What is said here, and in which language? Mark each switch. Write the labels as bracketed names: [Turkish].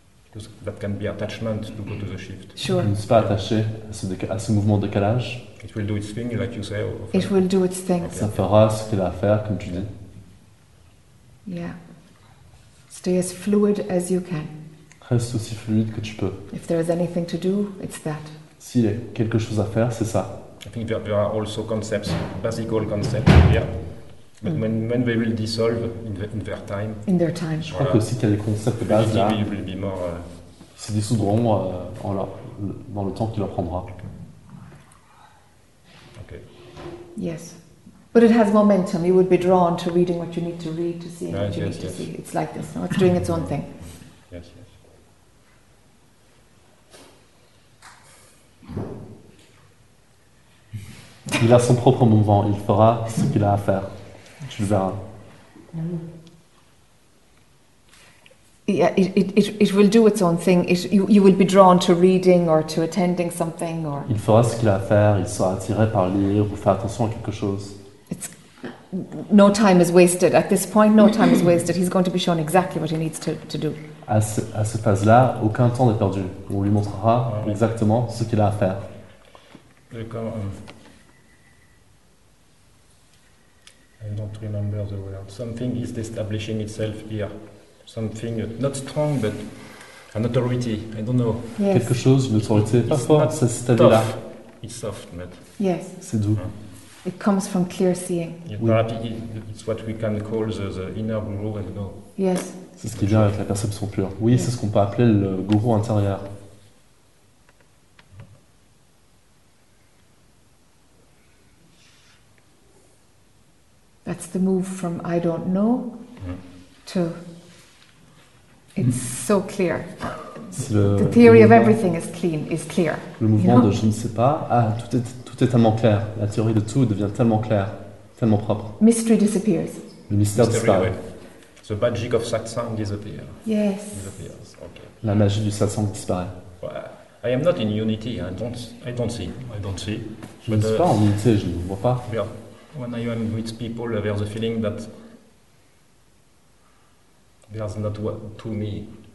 [English] Because that can be attachment to go to the shift. Sure. [French] Je ne suis pas attaché à ce mouvement de décalage. [English] It will do its thing, like you say. It will do its thing. Okay. [French] Ça fera ce qu'il a à faire, comme tu dis. [English] Yeah. Stay as fluid as you can. [French] Reste aussi fluide que tu peux. [English] If there is anything to do, it's that. [French] S'il y a quelque chose à faire, c'est ça. [English] I think there are also concepts, basical concepts here. But when they will dissolve in their time. [French] Je crois que aussi qu'il y a des concepts bases là. [English] Will be more, [French] ils se dissoudront dans le temps qu'il leur prendra. [English] Okay. Yes. But it has momentum. You would be drawn to reading what you need to read to see what you need to see. It's like this. No? It's doing its own thing. Yes. [French] Il a son propre mouvement, il fera ce qu'il a à faire. Tu le verras. [English] Yeah, it will do its own thing. You will be drawn to reading or to attending something or... [French] Il fera ce qu'il a à faire, il sera attiré par lire ou faire attention à quelque chose. [English] No time is wasted. At this point, no time is wasted. He's going to be shown exactly what he needs to do. [French] À ce phase-là, aucun temps n'est perdu. On lui montrera exactement ce qu'il a à faire. [English] I don't remember the word. Something is establishing itself here. Something not strong, but an authority. I don't know. Yes. [French] Quelque chose, une autorité, pas fort, ça s'établit là. [English] It's soft, but... Yes. [French] C'est doux. [English] It comes from clear seeing. It's what we can call the inner guru and go. Yes. [French] C'est ce qui vient avec la perception pure. Oui, c'est ce qu'on peut appeler le guru intérieur. [English] That's the move from I don't know to it's so clear. The theory of everything is clear. [French] Le mouvement de je ne sais pas, tout est tellement clair. La théorie de tout devient tellement claire, tellement propre. [English] Mystery disappears. [French] Le mystère disparaît. Oui. [English] The magic of satsang disappears. Yes. Disappears. Okay. [French] La magie du satsang disparaît. [English] Well, I am not in unity. I don't see. [French] Je ne suis pas en unité, je ne vois pas. [English] Yeah. When I am with people, there's a feeling that there's not two me.